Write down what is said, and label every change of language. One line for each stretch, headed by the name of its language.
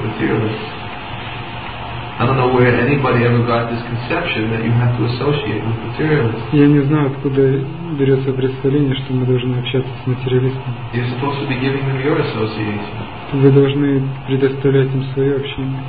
English: I don't know where anybody ever got this conception that you have to associate with materialists.
Russian: Я не знаю, откуда берется представление, что мы должны общаться с материалистами.
English: You're supposed to be giving them your association.
Russian: Вы должны предоставлять им свое общение.